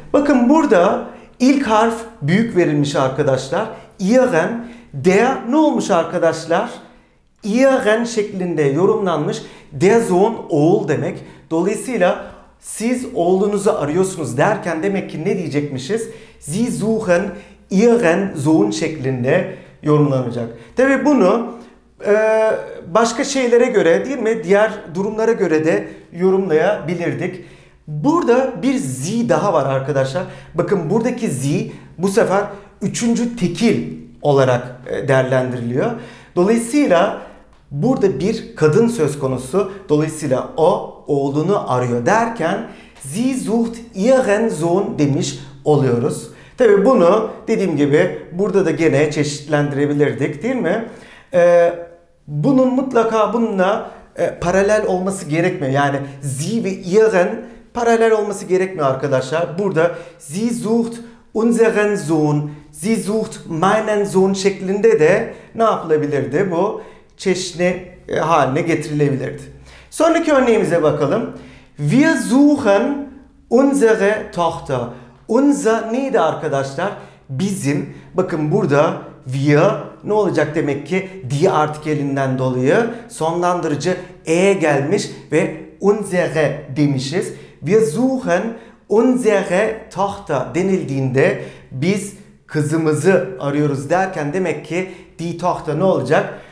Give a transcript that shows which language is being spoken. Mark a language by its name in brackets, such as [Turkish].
[Turkish] Bakın burada ilk harf büyük verilmiş arkadaşlar. Ihren, der ne olmuş arkadaşlar? Ihren şeklinde yorumlanmış. Der Sohn oğul demek. Dolayısıyla siz oğlunuzu arıyorsunuz derken demek ki ne diyecekmişiz? [German] Sie suchen ihren Sohn [Turkish] şeklinde yorumlanacak. Tabi bunu başka şeylere göre, değil mi? Diğer durumlara göre de yorumlayabilirdik. Burada bir Z daha var arkadaşlar. Bakın buradaki Z bu sefer üçüncü tekil olarak değerlendiriliyor. Dolayısıyla burada bir kadın söz konusu. Dolayısıyla o oğlunu arıyor derken [German] Sie sucht ihren Sohn [Turkish] demiş oluyoruz. Tabi bunu dediğim gibi burada da gene çeşitlendirebilirdik, değil mi? Bunun mutlaka bununla paralel olması gerekmiyor. Yani Sie ve ihren paralel olması gerekmiyor arkadaşlar. [German] Burada Sie sucht unseren Sohn, Sie sucht meinen Sohn [Turkish] şeklinde de ne yapılabilirdi? Bu çeşne haline getirilebilirdi. Sonraki örneğimize bakalım. [German] Wir suchen unsere Tochter. [Turkish] Unser neydi arkadaşlar? Bizim. Bakın burada wir ne olacak demek ki? Die artikelinden dolayı sonlandırıcı e gelmiş ve unsere demişiz. [German] Wir suchen unsere Tochter [Turkish] denildiğinde biz kızımızı arıyoruz derken demek ki die Tochter ne olacak?